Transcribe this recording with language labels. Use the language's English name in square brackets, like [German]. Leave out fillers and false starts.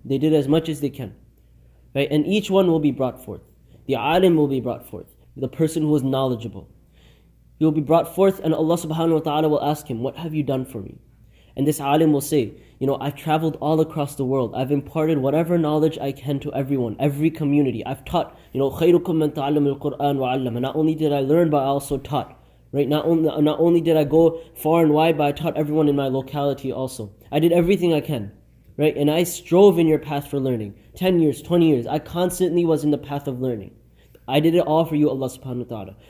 [English] They did as much as they can. Right? And each one will be brought forth. The alim will be brought forth, the person who is knowledgeable. He will be brought forth, and Allah subhanahu wa ta'ala will ask him, what have you done for me? And this alim will say, you know, I've traveled all across the world. I've imparted whatever knowledge I can to everyone, every community. I've taught, you know, [Arabic] خَيْرُكُمْ مَنْ تَعَلَّمُ الْقُرْآنَ وَعَلَّمَ. [English] Not only did I learn, but I also taught. Right? Not only did I go far and wide, but I taught everyone in my locality also. I did everything I can. Right? And I strove in your path for learning. 10 years, 20 years. I constantly was in the path of learning. I did it all for you, Allah subhanahu wa ta'ala.